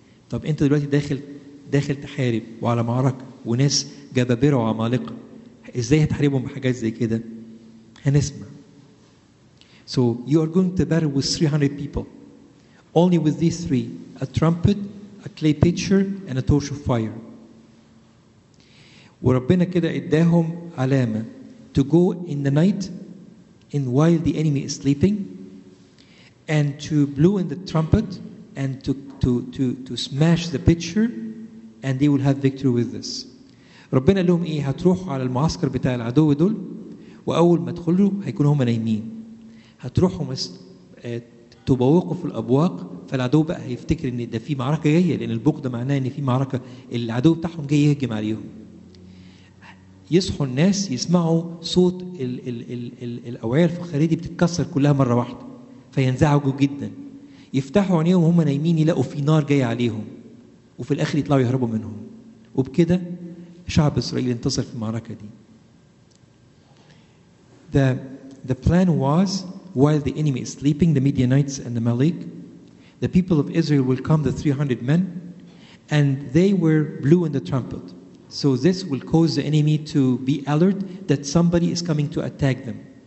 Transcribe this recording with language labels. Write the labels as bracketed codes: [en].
[ar] طب انت دلوقتي داخل تحارب وعلى معركة وناس جبابرة وعمالقة، ازاي هتحاربهم بحاجات زي كده؟ هنسمع. [en] So you are going to battle with 300 people. Only with these three. A trumpet, a clay pitcher, and a torch of fire. [ar] وربنا كده اداهم علامة. [en] To go in the night and while the enemy is sleeping. And to blow in the trumpet and to smash the pitcher. And they will have victory with this. [ar] ربنا لهم ايه، هتروحوا على المعسكر بتاع العدو دول. وأول ما تدخلوا هيكونوا هم نايمين. هتروحوا تبوقوا في الأبواق، فالعدو بقى هيفتكر إن ده في معركة جاية، لأن البوق ده معناه إن في معركة، العدو بتاعهم جاي يهجم عليهم. يصحوا الناس يسمعوا صوت الأوعية الفخارية دي بتتكسر كلها مرة واحدة، فينزعجوا جدا. يفتحوا عينيهم وهم نايمين يلاقوا في نار جاية عليهم، وفي الآخر يطلعوا يهربوا منهم. وبكده شعب إسرائيل انتصر في المعركة دي. [en] The plan was, while the enemy is sleeping, the Midianites and the Malek, the people of Israel will come, the 300 men, and they were blowing the trumpet. So this will cause the enemy to be alert that somebody is coming to attack them.